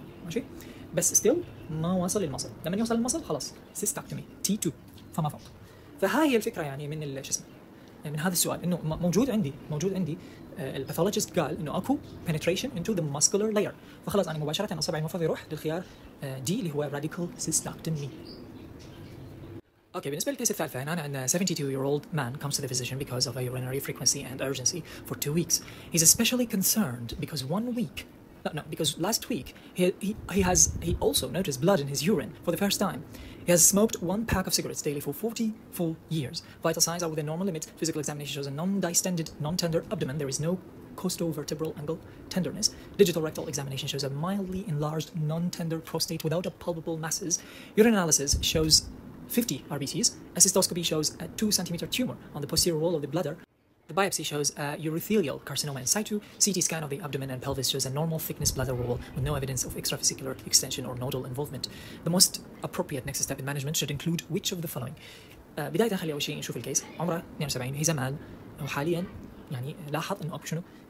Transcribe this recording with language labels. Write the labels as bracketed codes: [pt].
[ar] ماشي بس ستيل ما وصل للمصل لما يوصل للمصل خلاص سيستاكتومي تي 2 فما فوق. فهاي هي الفكره يعني من شو اسمه من هذا السؤال انه موجود عندي الباثولوجيست قال انه اكو [en] penetration into the muscular layer [ar] فخلاص انا مباشره انا اصبعي المفروض يروح للخيار دي اللي هو راديكال سيستاكتومي. اوكي بالنسبه للكيس الثالثه هنا عندنا [en] 72 year old man comes to the physician because of a urinary frequency and urgency for 2 weeks. He's especially concerned because 1 week No, because last week he also noticed blood in his urine for the first time. He has smoked one pack of cigarettes daily for 44 years. Vital signs are within normal limits. Physical examination shows a non-distended, non-tender abdomen. There is no costovertebral angle tenderness. Digital rectal examination shows a mildly enlarged, non-tender prostate without a palpable masses. Urine analysis shows 50 RBCs. A cystoscopy shows a 2-centimeter tumor on the posterior wall of the bladder. The biopsy shows a urothelial carcinoma in situ. CT scan of the abdomen and pelvis shows a normal thickness bladder wall with no evidence of extravesicular extension or nodal involvement. The most appropriate next step in management should include which of the following. [ar] بداية خلي أول شيء نشوف الكيس. عمره 72. [en] He's a man. [ar] وحاليا يعني لاحظ إنه أبشنو.